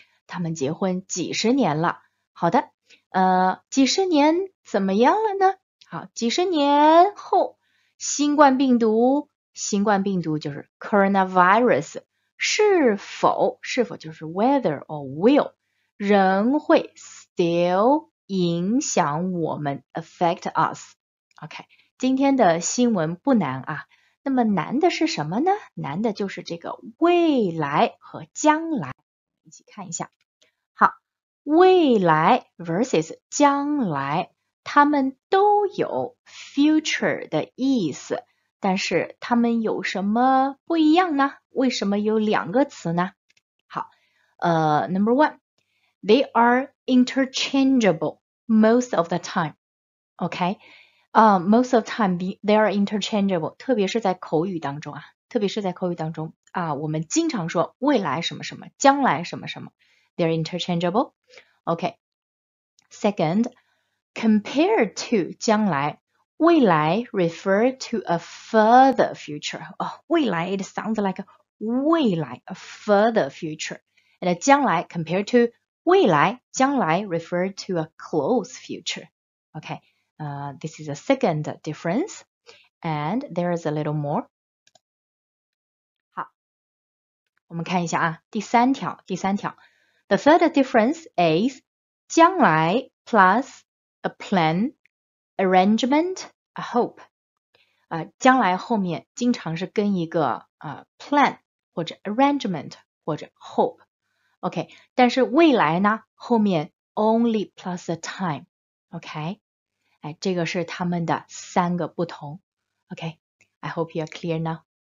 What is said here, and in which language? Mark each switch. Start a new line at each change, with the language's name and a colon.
Chinese: 他们结婚几十年了，好的，几十年怎么样了呢？好，几十年后，新冠病毒就是 coronavirus，是否就是
English: whether or will，
Chinese: 仍会。
English: Still
Chinese: 影响我们，
English: affect us。
Chinese: OK，今天的新闻不难啊。那么难的是什么呢？难的就是这个未来和将来。一起看一下。未来 versus 将来，它们都有 future 的意思，但是它们有什么不一样呢？为什么有两个词呢？
English: Number one。 They are interchangeable most of the time. OK? Most of the time, they are interchangeable,
Chinese: 特别是在口语当中啊，特别是在口语当中啊，我们经常说未来什么什么，将来什么什么，
English: they are interchangeable. OK? Second, compared to 将来，未来 refer to a further future. 哦，未来 it sounds like 未来 a further future. And 将来 compared to 未来、将来 refer to a close future. OK, this is a second difference, and there is a little more.
Chinese: 我们看一下啊，第三条。
English: The third difference is 将来 plus a plan, arrangement, a hope.
Chinese: 将来后面经常是跟一个plan 或者 arrangement 或者 hope。 OK，但是未来呢？后面
English: only plus a time，
Chinese: OK，哎，这个是他们的三个不同。OK，
English: I hope you are clear now.